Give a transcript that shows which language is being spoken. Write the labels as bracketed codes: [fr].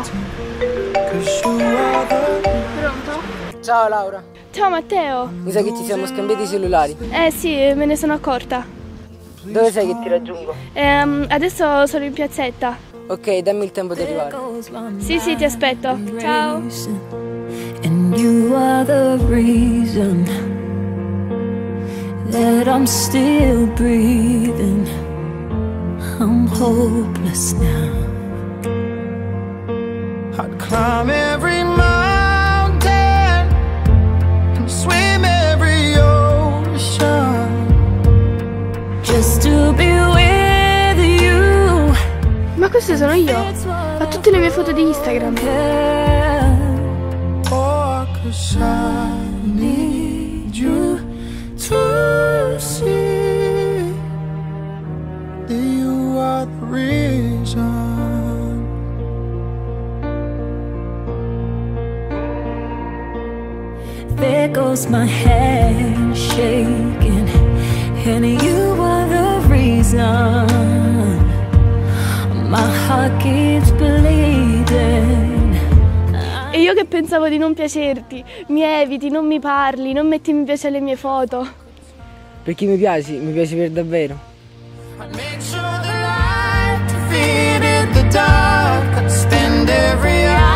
[it] Pronto? Ciao Laura. Ciao Matteo. Mi sa che ci siamo scambiati i cellulari. Eh sì, me ne sono accorta. Dove sei che ti raggiungo? Adesso sono in piazzetta. Ok, dammi il tempo di arrivare. Sì sì, ti aspetto. Ciao. [en] And you are the reason that I'm still breathing. I'm hopeless now. I'd climb every mountain and swim every ocean just to be with you. [it] Ma queste sono io. Ho tutte le mie foto di Instagram. [en] Oh, cause I need you to see that you are the reason. There goes my head shaking, and you are the reason. My heart keeps bleeding. [it] E io che pensavo di non piacerti. Mi eviti, non mi parli, non metti mi piace alle mie foto. Perché mi piaci per davvero. [en] I'd make sure the light defeated the dark, I'd spend every hour.